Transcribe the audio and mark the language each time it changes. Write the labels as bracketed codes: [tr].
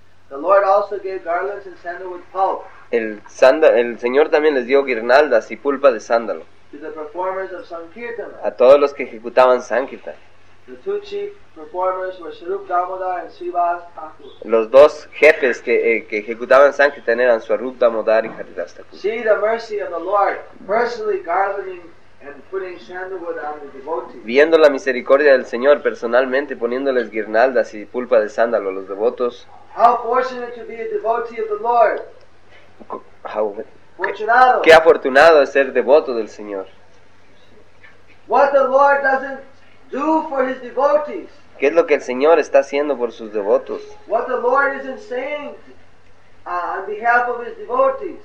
[en] The Lord also gave garlands and sandalwood pulp. [es] El Señor también les dio guirnaldas y pulpa de sándalo. [en] To the performers of Sankirtana. [es] A todos los que ejecutaban Sankirtan. [en] The two chief performers were Swarup Damodar and Srivas Thakur. [es] Los dos jefes que ejecutaban Sankirtan eran Swarup Damodar y Haridas Thakur. [en] See the mercy of the Lord personally garlanding and putting sandalwood on the devotees. [es] Viendo la misericordia del Señor personalmente poniéndoles guirnaldas y pulpa de sándalo a los devotos. [en] How fortunate to be a devotee of the Lord. [es] Fortunado. Qué afortunado es ser devoto del Señor. [en] What the Lord doesn't do for his devotees. [es] ¿Qué es lo que el Señor está haciendo por sus devotos? [en] What the Lord isn't saying on behalf of his devotees.